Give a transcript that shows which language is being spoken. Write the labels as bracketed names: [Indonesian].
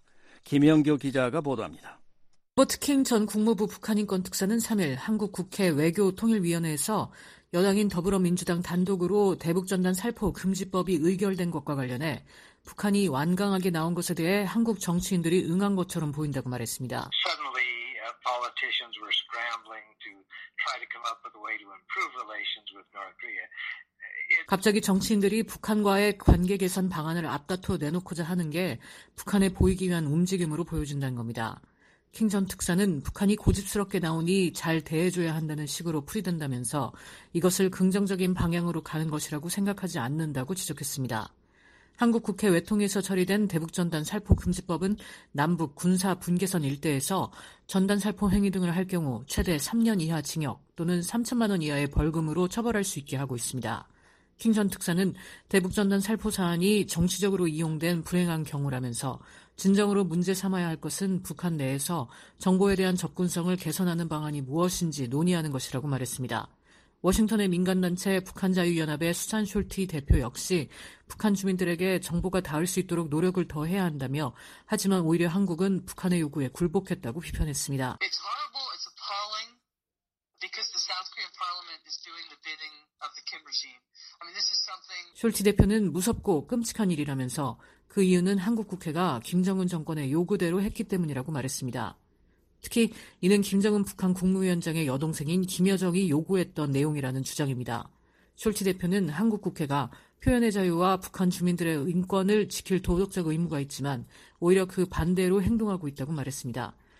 [Korean] 김영교 기자가 보도합니다. 로버트 킹 전 국무부 북한인권특사는 3일 한국 국회 외교통일위원회에서 여당인 더불어민주당 단독으로 대북전단 살포 금지법이 의결된 것과 관련해 북한이 완강하게 나온 것에 대해 한국 정치인들이 응한 것처럼 보인다고 말했습니다. [English] Suddenly, politicians were scrambling to try to come up with a way to improve relations with North Korea. [Korean] 갑자기 정치인들이 북한과의 관계 개선 방안을 앞다투어 내놓고자 하는 게 북한에 보이기 위한 움직임으로 보여진다는 겁니다. 킹 전 특사는 북한이 고집스럽게 나오니 잘 대해줘야 한다는 식으로 풀이된다면서 이것을 긍정적인 방향으로 가는 것이라고 생각하지 않는다고 지적했습니다. 한국 국회 외통에서 처리된 대북전단 살포금지법은 남북 군사 분계선 일대에서 전단 살포 행위 등을 할 경우 최대 3년 이하 징역 또는 3천만 원 이하의 벌금으로 처벌할 수 있게 하고 있습니다. 킹 전 특사는 대북전단 살포 사안이 정치적으로 이용된 불행한 경우라면서 진정으로 문제 삼아야 할 것은 북한 내에서 정보에 대한 접근성을 개선하는 방안이 무엇인지 논의하는 것이라고 말했습니다. 워싱턴의 민간단체 북한자유연합의 수잔 숄티 대표 역시 북한 주민들에게 정보가 닿을 수 있도록 노력을 더해야 한다며 하지만 오히려 한국은 북한의 요구에 굴복했다고 비판했습니다. [English] It's horrible, it's appalling because the South Korean Parliament is doing the bidding of the Kim regime. This is something... [Korean] 숄티 대표는 무섭고 끔찍한 일이라면서 그 이유는 한국 국회가 김정은 정권의 요구대로 했기 때문이라고 말했습니다. 특히 이는 김정은 북한 국무위원장의 여동생인 김여정이 요구했던 내용이라는 주장입니다. 숄티 대표는 한국 국회가 표현의 자유와 북한 주민들의 인권을 지킬 도덕적 의무가 있지만 오히려 그 반대로 행동하고 있다고 말했습니다.